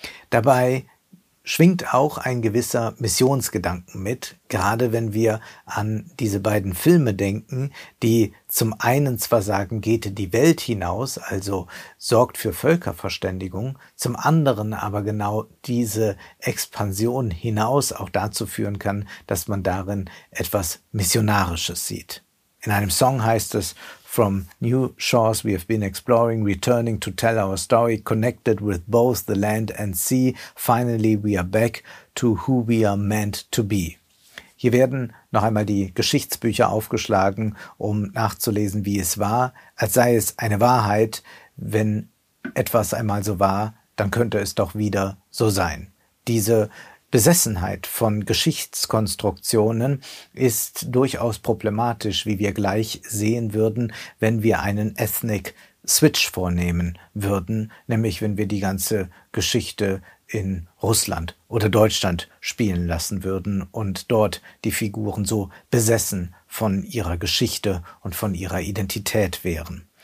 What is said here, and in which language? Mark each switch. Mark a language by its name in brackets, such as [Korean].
[German] Dabei schwingt auch ein gewisser Missionsgedanken mit, gerade wenn wir an diese beiden Filme denken, die zum einen zwar sagen, geht in die Welt hinaus, also sorgt für Völkerverständigung, zum anderen aber genau diese Expansion hinaus auch dazu führen kann, dass man darin etwas Missionarisches sieht. In einem Song heißt es, [English] From new shores we have been exploring, returning to tell our story, connected with both the land and sea, finally we are back to who we are meant to be. [German] Hier werden noch einmal die Geschichtsbücher aufgeschlagen, um nachzulesen, wie es war, als sei es eine Wahrheit, wenn etwas einmal so war, dann könnte es doch wieder so sein. Diese Besessenheit von Geschichtskonstruktionen ist durchaus problematisch, wie wir gleich sehen würden, wenn wir einen Ethnic Switch vornehmen würden, nämlich wenn wir die ganze Geschichte in Russland oder Deutschland spielen lassen würden und dort die Figuren so besessen von ihrer Geschichte und von ihrer Identität wären.